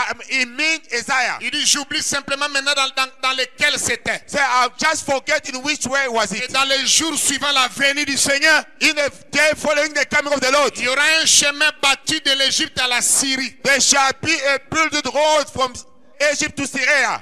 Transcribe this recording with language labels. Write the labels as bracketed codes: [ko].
[fr] Il dit j'oublie simplement maintenant dans lequel c'était. [en] So I just forget in which way was it. [fr] Et dans les jours suivant la venue du Seigneur. [en] In the day following the coming of the Lord. [fr] Il y aura un chemin battu de l'Égypte à la Syrie. [en] There shall be a built road from Egypt to Syria.